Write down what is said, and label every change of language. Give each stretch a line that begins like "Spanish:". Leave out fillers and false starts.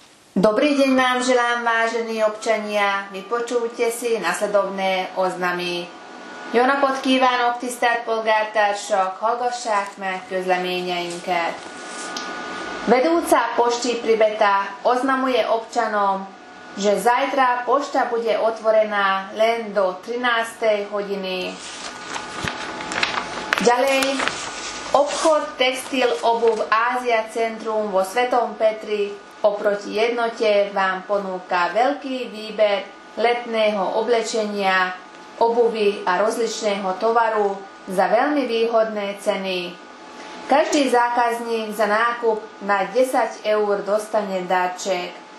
Slovak: Dobrý deň vám želám, vážení občania. Vypočujte si nasledovné oznamy.
Hungarian: Jóna podkívánok, tisztelt polgártársak, hallgassák meg közleményeinket.
Slovak: Vedúca pošti Pribeta oznamuje občanom, že zajtra pošta bude otvorená len do 13. hodiny. Ďalej, obchod textil obuv Ázia Centrum vo Svetom Petri oproti jednote vám ponúka veľký výber letného oblečenia, obuvy a rozličného tovaru za veľmi výhodné ceny. Každý zákazník za nákup na 10 eur dostane darček.